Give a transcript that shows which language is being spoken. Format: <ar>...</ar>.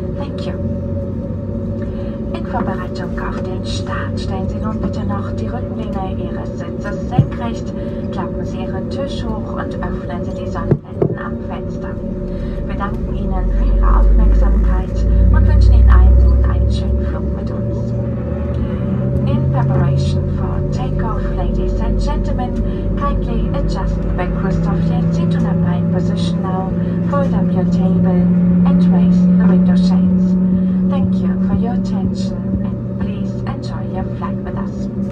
<en>Thank you.</en> <de>In Vorbereitung auf den Start stellen Sie nun bitte noch die Rückenlehne Ihres Sitzes senkrecht, klappen Sie Ihren Tisch hoch und öffnen Sie die Sonnenblenden am Fenster. Wir danken Ihnen für Ihre Aufmerksamkeit und wünschen Ihnen allen einen schönen Flug mit uns.</de> <en>In preparation for takeoff, ladies and gentlemen, kindly adjust the backrest of your seat on a pine position now, fold up your table and raise the window shades. Thank you for your attention and please enjoy your flight with us.</en>